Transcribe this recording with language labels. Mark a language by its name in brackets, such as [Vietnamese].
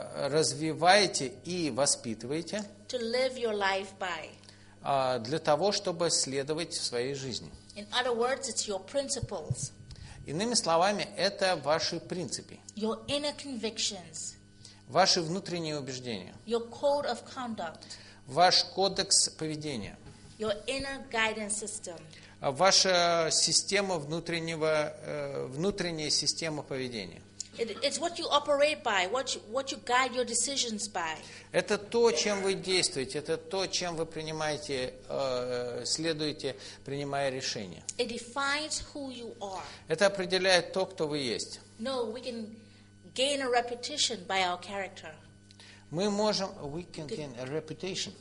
[Russian] Развиваете и воспитываете. [English] To live your life by. [Russian] Для того, чтобы следовать в своей жизни. [English] In other words, it's your principles. [Russian] Иными словами, это ваши принципы. [English] Your inner convictions. [Russian] Ваши внутренние убеждения. [English] Your code of conduct. [Russian] Ваш кодекс поведения. [English] Your inner guidance system. [Russian] Ваша система внутреннего, внутренняя система поведения. [English] It's what you operate by, what you guide your decisions by. [Russian] Это то, чем вы действуете, это то, чем вы принимаете, следуете, принимая решения. [English] It defines who you are. [Russian] Это определяет то, кто вы есть. [English] No, we can gain a reputation by our character. [Russian] Мы можем, [English] we can gain a reputation.